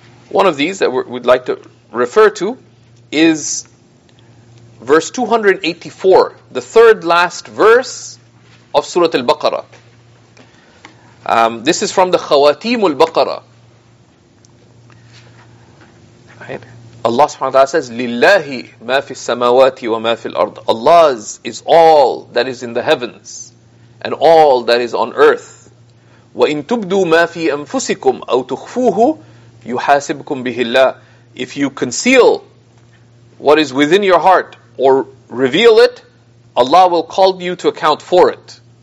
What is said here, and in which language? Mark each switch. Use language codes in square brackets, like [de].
[en] One of these that we'd like to refer to is verse 284, the third last verse of Surah Al-Baqarah. This is from the Khawatim Al-Baqarah. Right. Allah subhanahu wa ta'ala says, [ar] لِلَّهِ مَا فِي السَّمَاوَاتِ وَمَا فِي الْأَرْضِ. [en] Allah's is all that is in the heavens and all that is on earth. [ar] وَإِن تُبْدُوا مَا فِي أَنفُسِكُمْ أَوْ تُخْفُوهُ يُحَاسِبْكُمْ بِهِ اللَّهِ. [en] If you conceal what is within your heart or reveal it, Allah will call you to account for it.